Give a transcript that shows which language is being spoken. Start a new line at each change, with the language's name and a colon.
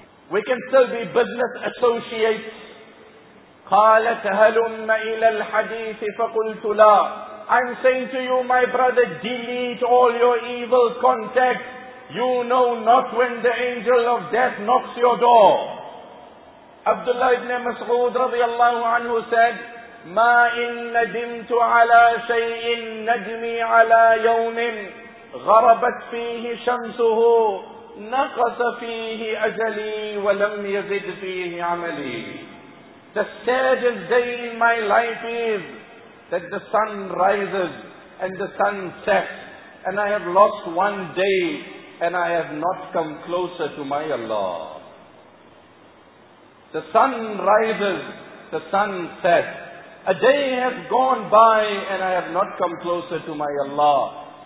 English: We can still be business associates.
Arabic: قَالَتْ هَلُمَّ إِلَى الْحَدِيثِ فَقُلْتُ لَا.
English: I'm saying to you, my brother, delete all your evil contacts. You know not when the angel of death knocks your door. Abdullah ibn Mas'ud radiallahu anhu said,
Arabic: مَا إِن نَدِمْتُ عَلَى شَيْءٍ نَدْمِي عَلَى يَوْمٍ غَرَبَتْ فِيهِ شَمْسُهُ نَقَصَ فِيهِ أَجَلِي وَلَمْ يَزِدْ فِيهِ عَمَلِي.
English: The saddest day in my life is that the sun rises and the sun sets, and I have lost one day and I have not come closer to my Allah. The sun rises, the sun sets. A day has gone by and I have not come closer to my Allah.